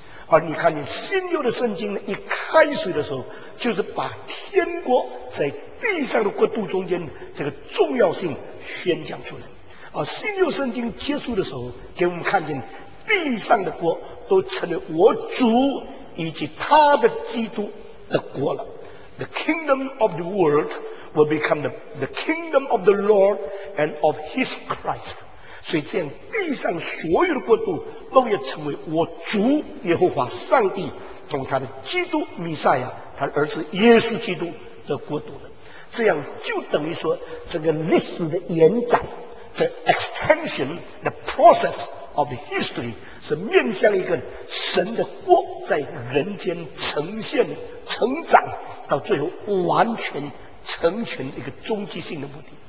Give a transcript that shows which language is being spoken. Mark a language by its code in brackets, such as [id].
[zh] 而你看你新约的圣经呢，一开始的时候就是把天国在地上的国度中间这个重要性宣讲出来，而新约圣经结束的时候给我们看见地上的国都成了我主以及他的基督的国了。 [en] The kingdom of the world will become the kingdom of the Lord and of his Christ。 [zh] 所以这样地上所有的国度都要成为我主耶和华上帝同他的基督弥赛亚他的儿子耶稣基督的国度了。这样就等于说这个历史的延展 [en] the extension the process of history [zh] 是面向一个神的国在人间呈现成长到最后完全成全一个终极性的目的。